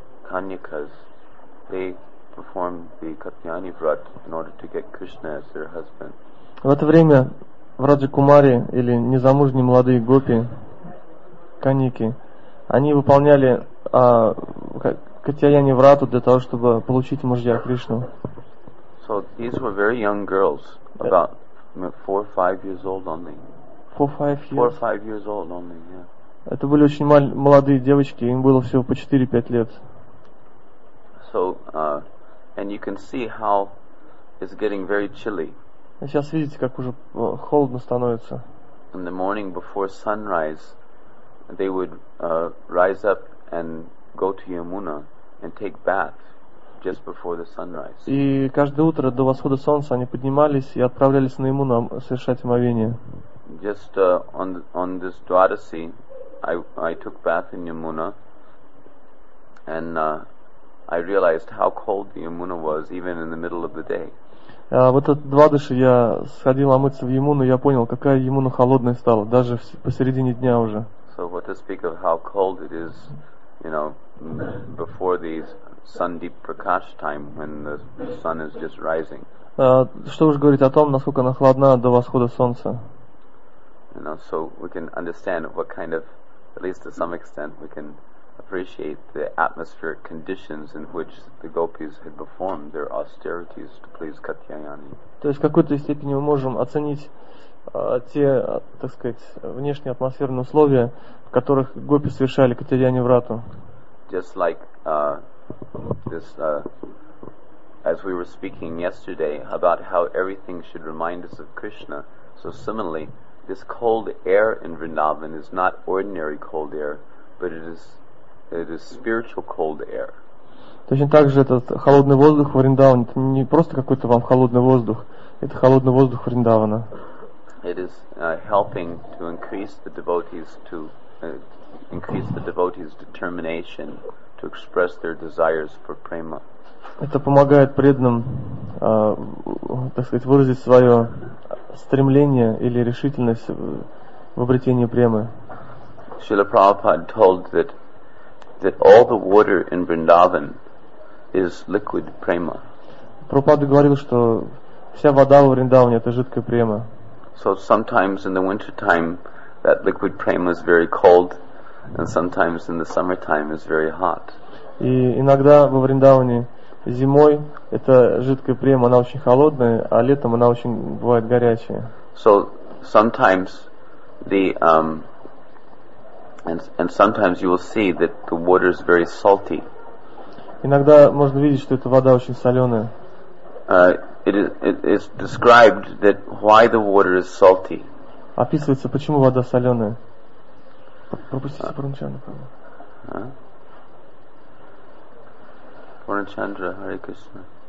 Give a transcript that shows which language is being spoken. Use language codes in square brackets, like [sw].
[en] Kanyakas, they perform the Katyayani Vrat in order to get Krishna as their husband. [ru] В это время в Раджакумаре или незамужние молодые гопи, каньяки, они выполняли Катьяяни Врату для того, чтобы получить мужья Кришну. [en] So these were very young girls, about 4 or 5 years old only. Four or five years old only. [ru] Это были очень молодые девочки, им было всего по 4-5 лет. [en] So, and you can see how it's getting very chilly. [ru] Сейчас видите, как уже холодно становится. [en] In the morning before sunrise, they would rise up and go to Yamuna and take bath just before the sunrise. [ru] И каждое утро до восхода солнца они поднимались и отправлялись на Ямуну совершать омовение. [en] Just on this Dwadasi, I took bath in Yamuna and I realized how cold the Yamuna was even in the middle of the day. [ru] В этот Двадаши я сходил омыться в Ямуну, я понял, какая Ямуна холодная стала, даже посередине дня уже. [en] So what to speak of how cold it is, you know, before the Sandeep Prakash time when the sun is just rising. [ru] Что уж говорить о том, насколько она холодна до восхода солнца. [en] You know, so we can understand what kind of, at least to some extent, we can appreciate the atmospheric conditions in which the gopis had performed their austerities to please Katyayani. [ru] То есть в какой-то степени мы можем оценить те, так сказать, внешние атмосферные условия, в которых гопи совершали Катьяяни Врату. [en] Just like this, as we were speaking yesterday about how everything should remind us of Krishna, so similarly, this cold air in Vrindavan is not ordinary cold air, but it is spiritual cold air. [ru] Точно так же этот холодный воздух в Вриндаване это не просто какой-то вам холодный воздух, это холодный воздух Вриндавана. [en] It is helping to increase the devotees determination to express their desires for prema. [ru] Это помогает преданным, так сказать, выразить свое стремление или решительность в обретении премы. [en] Srila Prabhupada told that all the water in Vrindavan is liquid prema. [ru] Prabhupada говорил, что вся вода в Вриндаване это жидкая према. [en] So sometimes in the winter time that liquid prema is very cold, and sometimes in the summer time is very hot. [ru] И иногда во Вриндаване зимой эта жидкая према она очень холодная, а летом она очень бывает горячая. [en] So sometimes the And sometimes you will see that the water is very salty. [ru] Иногда можно видеть, что эта вода очень соленая. [en] It is described that why the water is salty. [ru] Описывается, почему вода соленая. Пропустите Пурнчандра. Пурнчандра, Хари Кришна.